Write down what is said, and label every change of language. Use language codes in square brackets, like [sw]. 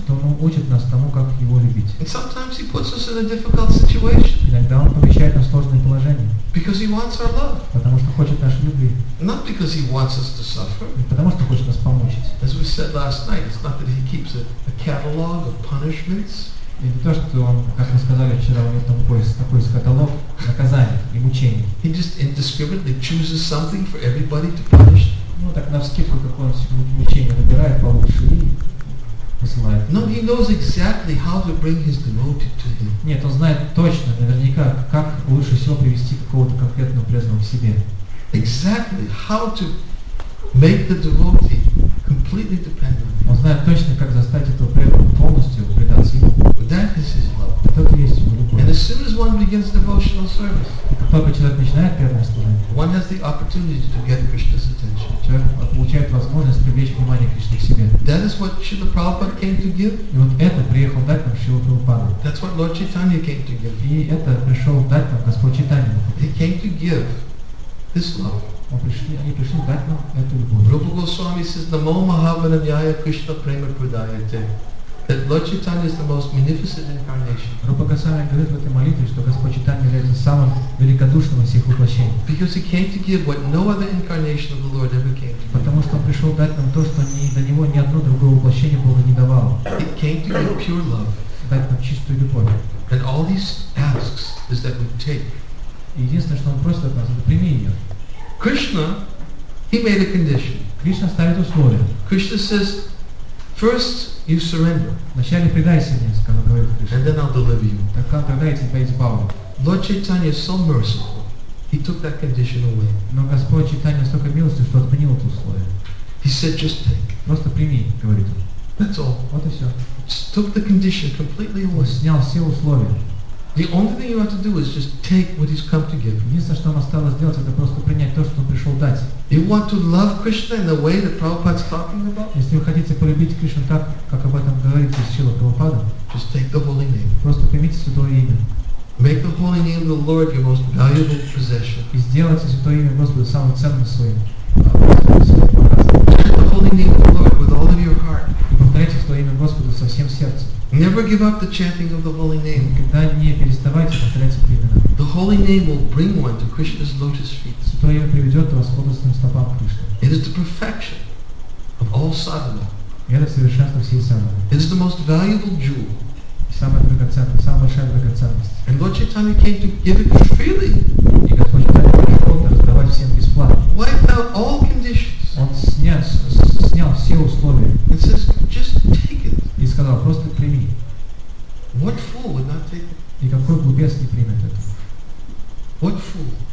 [ru] То Он учит нас тому, как Его любить. [en] And sometimes He puts us in a difficult situation. [ru] Иногда Он помещает нас в сложное положение. [en] Because He wants our love. [ru] Потому что хочет нашей любви. [en] Not because He wants us to suffer. [ru] Не потому что хочет нас помучить. [en] As we said last night, it's not that He keeps a catalog of punishments. [ru] И не то, что он, как мы сказали вчера, у него там такой каталог наказаний и мучений. [en] He just indiscriminately chooses something for everybody to punish. [ru] Ну так навскидку какое-нибудь мучение выбирает получше и посылает. [en] No, he knows exactly how to bring his devotee to him. [ru] Нет, он знает точно, наверняка, как лучше всего привести какого-то конкретного преданного к себе. [en] Exactly how to make the devotee completely dependent. [ru] Он знает точно, как заставить этого преданного полностью предаться ему. [en] That is his love. [ru] Вот это и есть его любовь. [en] And as soon as one begins devotional service, [ru] только человек начинает преданное служение, [en] one has the opportunity to get Krishna's attention. [ru] Человек получает возможность привлечь внимание Кришны к себе. [en] That is what Srila Prabhupada came to give. [ru] И вот это приехал дать нам Шрила Прабхупада. [en] That's what Lord Chaitanya came to give. [ru] И это пришел дать нам Господь Чайтанья. [en] He came to give this love. [ru] Они пришли дать нам эту любовь. [en] Rupa Goswami says, [sa] "Namo Mahavana Nyaya Krishna Prema Pradayate." [en] That Lord Chaitanya is the most munificent incarnation. [ru] Rupa Goswami говорит в этой молитве, что Господь Чайтанья является самым великодушным из всех воплощений. [en] Because He came to give what no other incarnation of the Lord ever came to give. [ru] Потому что Он пришел дать нам то, что до Него ни одно другое воплощение Бога не давало. [en] He came to give pure love. [ru] Дать нам чистую любовь. [en] And all He asks is that we take. [ru] Единственное, что Он просит от нас, это прими ее. [en] Krishna, He made a condition. [ru] Krishna ставит условия. [en] Krishna says, first you surrender. [ru] Вначале предайся мне, сказал говорит Кришна. [en] And then I'll deliver you. [ru] Тогда я тебя избавлю. [en] Lord Chaitanya is so merciful. He took that condition away. [ru] Но Господь Чайтанья столько милости, что отменил это условие. [en] He said, just take. [ru] Просто прими, говорит он. [en] That's all. [ru] Вот и все. [en] Just took the condition completely away. [ru] Снял все условия. [en] The only thing you have to do is just take what he's come to give. [ru] Единственное, что вам осталось сделать, это просто принять то, что он пришел дать. [en] You want to love Krishna in the way that Prabhupada's talking about? [ru] Если вы хотите полюбить Кришну так, как об этом говорит Шрила Прабхупада, [en] just take the holy name. [ru] Просто примите святое имя. [en] Make the holy name of the Lord your most valuable possession. [ru] И сделайте святое имя Господа самым ценным своим. [en] Take the holy name of the Lord with all of your heart. [ru] И повторяйте святое имя Господа со всем сердцем. [en] Never give up the chanting of the holy name. [ru] Никогда не переставайте повторять святое имя. [en] The holy name will bring one to Krishna's lotus feet. [ru] Святое имя приведет вас к лотосным стопам Кришны. [en] It is the perfection of all sadhana. [ru] И это совершенство всей садханы. [en] It is the most valuable jewel. [ru] Самая драгоценность, самая большая драгоценность. [en] And Lord Chaitanya came to give it freely. [ru] И Господь Chaitanya пришел раздавать всем бесплатно. [en] Wiped out all conditions. [ru] Он снял все условия. [en] He says, just take it. [ru] И сказал, просто прими. [en] What fool would not take it? [ru] И какой глупец не примет это? [en] What fool?